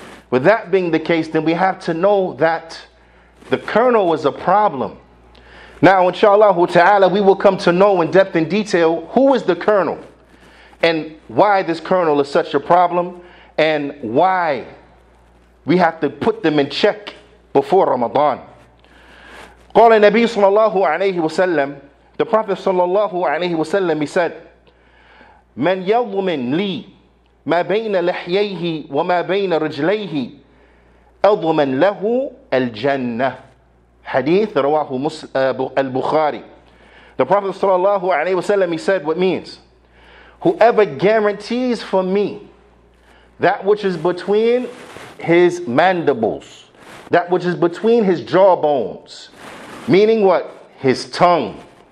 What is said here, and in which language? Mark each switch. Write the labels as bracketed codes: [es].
[en] With that being the case, then we have to know that the kernel was a problem. Now, inshallah ta'ala, we will come to know in depth and detail who is the kernel and why this kernel is such a problem and why we have to put them in check before Ramadan. [ar] قال النبي صلى الله عليه وسلم, [en] the Prophet [ar] صلى الله عليه وسلم, [en] he said, [ar] من يضمن لي ما بين لحييه وما بين رجليه أضمن له الجنة. [en] Hadith rawahu al-Bukhari. The Prophet sallallahu alayhi wasallam, he said, what means, whoever guarantees for me that which is between his mandibles, that which is between his jawbones, meaning what? His tongue.